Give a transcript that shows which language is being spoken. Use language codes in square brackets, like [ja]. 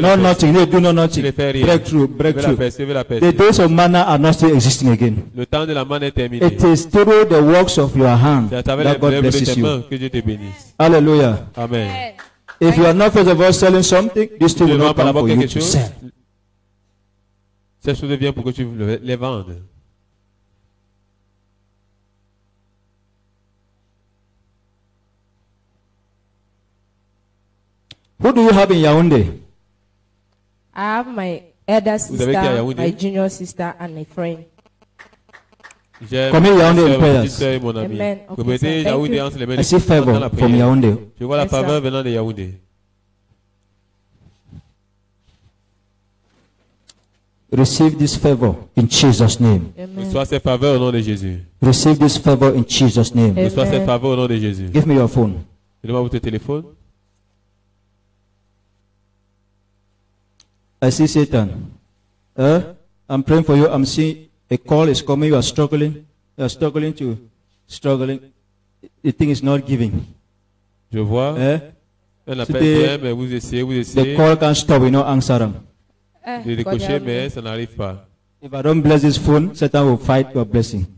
[en] No, nothing. They do no nothing. Breakthrough. Breakthrough. The days of manna are not still existing again. [fr] Le temps de la manne est terminé. [en] It is through the works of your hand that God blesses you. [fr] Que Dieu te bénisse. [en] Hallelujah. Amen. If you are not first of all selling something, this thing will not come for you to sell. [fr] Cette chose vient pour que tu les vendes. [en] Who do you have in Yaoundé? I have my elder sister, my junior sister, and a friend. Come in Yaoundé in prayers. Amen. Okay, sir. Thank you. I see favor from Yaoundé. [fr] Je vois la faveur venant de Yaoundé. [en] Receive this favor in Jesus' name. [fr] Reçois cette faveur au nom de Jésus. [en] Receive this favor in Jesus' name. [fr] Reçois cette faveur au nom de Jésus. [en] Give me your phone. [fr] Donne-moi votre téléphone. [en] I see Satan. I'm praying for you. I'm seeing a call is coming. You are struggling. You are struggling to struggling. The thing is not giving. [fr] Je vois. Un appel vient, mais vous essayez, vous essayez. [en] The call can't stop. We not answer them. [fr] De décrocher, mais ça n'arrive pas. [en] If I don't bless this phone, Satan will fight your blessing.